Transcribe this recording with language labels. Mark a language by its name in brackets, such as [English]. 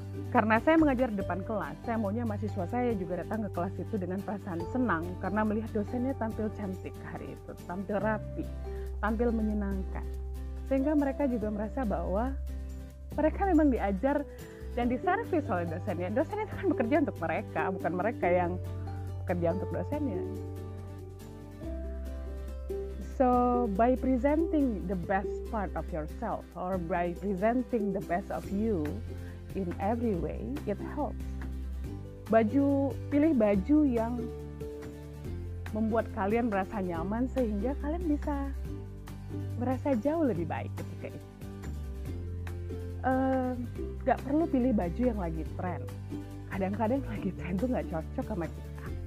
[Indonesian] Karena saya mengajar depan kelas, saya maunya mahasiswa saya juga datang ke kelas itu dengan perasaan senang karena melihat dosennya tampil cantik hari itu, tampil rapi, tampil menyenangkan. Sehingga mereka juga merasa bahwa mereka memang diajar dan diservis oleh dosennya. Dosennya itu kan bekerja untuk mereka, bukan mereka yang bekerja untuk dosennya. [English] So, by presenting the best part of yourself or by presenting the best of you in every way, it helps. [Indonesian] Baju, pilih baju yang membuat kalian merasa nyaman sehingga kalian bisa merasa jauh lebih baik ketika itu. Gak perlu pilih baju yang lagi tren. Kadang-kadang lagi tren tuh gak cocok sama kita.